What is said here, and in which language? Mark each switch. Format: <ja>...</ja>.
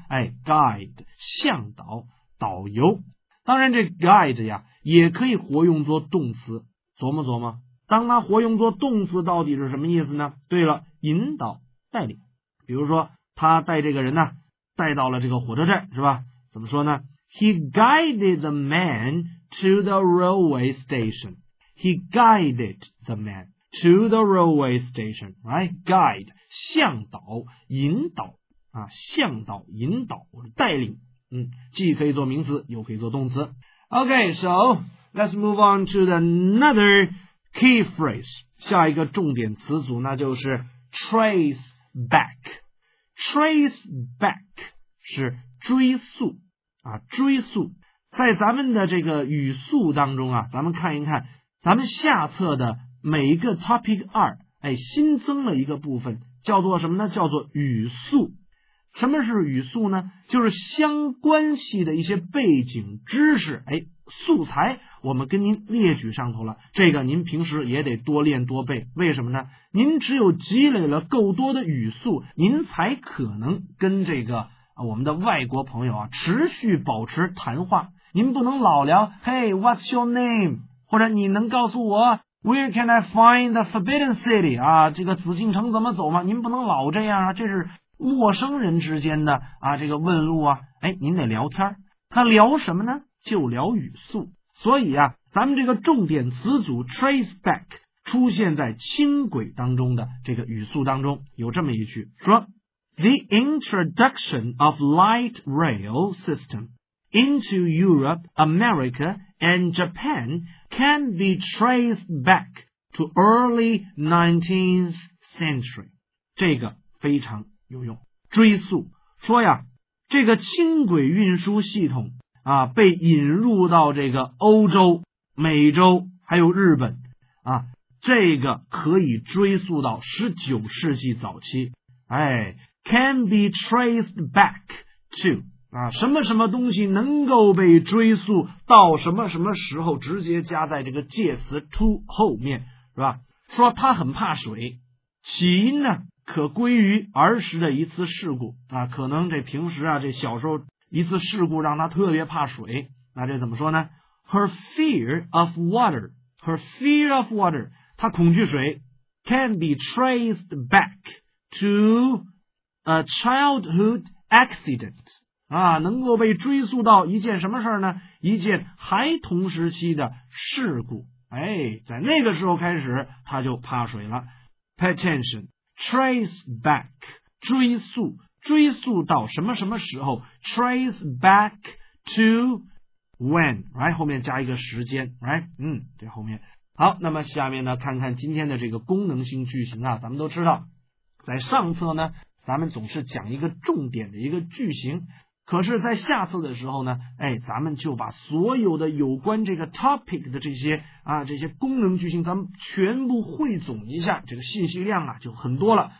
<zh>哎 ，guide 向导、导游。当然，这 guide 呀也可以活用作动词。琢磨琢磨，当它活用作动词到底是什么意思呢？对了，引导、带领。比如说，他带这个人呢，带到了这个火车站，是吧？怎么说呢</zh> <en>？He guided the man to the railway station. He guided the man. To the railway station, right?</en> <zh>Guide, 向导、引导啊，向导、引导、带领，嗯，既可以做名词，又可以做动词。</zh> <en>Okay, so let's move on to another key phrase.</en> <zh>下一个重点词组那就是 trace back. Trace back 是追溯啊，追溯。在咱们的这个语速当中啊，咱们看一看咱们下册的。每一个 topic 二，哎，新增了一个部分，叫做什么呢？叫做语速。什么是语速呢？就是相关系的一些背景知识，哎，素材我们跟您列举上头了。这个您平时也得多练多背，为什么呢？您只有积累了够多的语速，您才可能跟这个我们的外国朋友啊持续保持谈话。您不能老聊 ，</zh> <en>Hey, what's your name？</en> <zh>或者你能告诉我？</zh> <en>Where can I find the Forbidden City?</en> <zh>啊，这个紫禁城怎么走吗？您不能老这样啊，这是陌生人之间的啊，这个问路啊，哎，您得聊天。他聊什么呢？就聊语速。所以啊，咱们这个重点词组 trace back 出现在轻轨当中的这个语速当中，有这么一句说 ,</zh> <en>The introduction of light rail system into Europe, America,And Japan can be traced back to early 19th century.</en> <zh>这个非常有用。追溯说呀，这个轻轨运输系统啊，被引入到这个欧洲、美洲还有日本啊，这个可以追溯到19世纪早期。</zh> <en>哎 ，can be traced back to。</en> <zh>啊，什么什么东西能够被追溯到什么什么时候，直接加在这个介词 to 后面，是吧？说他很怕水，起因呢可归于儿时的一次事故啊，可能这平时啊，这小时候一次事故让她特别怕水。那这怎么说呢 ？</zh> <en>Her fear of water, her fear of water,</en> <zh>她恐惧水 ，</zh> <en>can be traced back to a childhood accident</en> <zh>啊，能够被追溯到一件什么事呢？一件孩童时期的事故。哎，在那个时候开始，她就怕水了。</zh> <en>Pay attention. Trace back,</en> <zh>追溯，追溯到什么什么时候</zh> <en>？Trace back to when, right?</en> <zh>后面加一个时间 ，</zh> <en>right?</en> <zh>嗯，对，后面。好，那么下面呢，看看今天的这个功能性句型啊。咱们都知道，在上册呢，咱们总是讲一个重点的一个句型，可是，在下册的时候呢，哎，咱们就把所有的有关这个 topic 的这些啊，这些功能句型，咱们全部汇总一下，这个信息量啊就很多了。</zh>